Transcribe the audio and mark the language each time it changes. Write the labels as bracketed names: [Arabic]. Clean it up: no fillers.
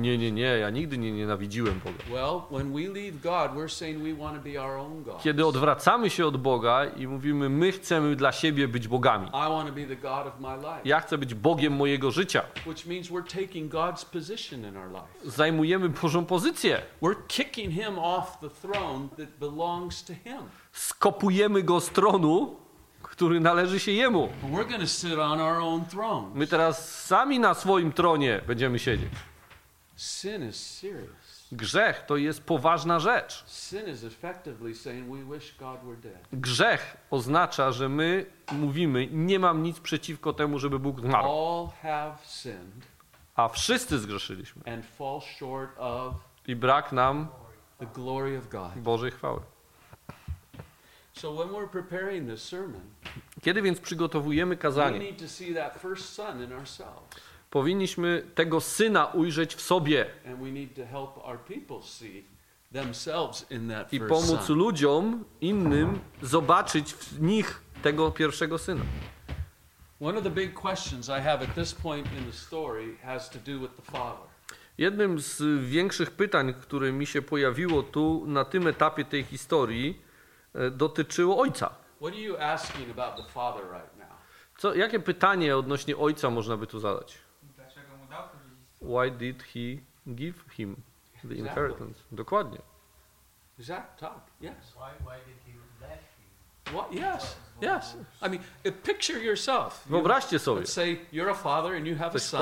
[Polish] Nie, ja nigdy nie nienawidziłem Boga. [English] Well, when we leave God, we're saying we want to be our own God. [Polish] Kiedy odwracamy się od Boga i mówimy, my chcemy dla siebie być bogami. [English] I want to be the God of my life. [Polish] Ja chcę być Bogiem mojego życia. [English] Which means we're taking God's position in our life. [Polish] Zajmujemy Bożą pozycję. [English] We're kicking him off the throne that belongs to him. [Polish] Skopujemy go z tronu, który należy się jemu. [English] We're gonna sit on our own thrones. [Polish] My teraz sami na swoim tronie będziemy siedzieć. [English] Sin is serious. [Polish] Grzech to jest poważna rzecz. [English] Sin is effectively saying we wish God were dead. [Polish] Grzech oznacza, że my mówimy, nie mam nic przeciwko temu, żeby Bóg zmarł. [English] All have sinned. [Polish] A wszyscy zgrzeszyliśmy. [English] And fall short of [Polish] i brak nam [English] the glory of God. [Polish] Bożej chwały. [English] So when we're preparing this sermon, [Polish] kiedy więc przygotowujemy kazanie, [English] we need to see that first son in ourselves. [Polish] Powinniśmy tego syna ujrzeć w sobie. [English] And we need to help our people see themselves in that first [Polish] son. I pomóc ludziom innym zobaczyć w nich tego pierwszego syna. [English] One of the big questions I have at this point in the story has to do with the father. [Polish] Jednym z większych pytań, które mi się pojawiło tu na tym etapie tej historii, dotyczyło ojca. [English] What are you asking about the father right now? [Polish] Co, jakie pytanie odnośnie ojca można by tu zadać? Dlaczego mu dał to dziedzictwo? [English] Why did he give him the inheritance? Exactly. [Polish] Dokładnie. [English] Exactly. Yes. Why did he let him? What? Yes. Yes. I mean, picture yourself. Wyobraźcie sobie. Let's say you're a father and you have a son.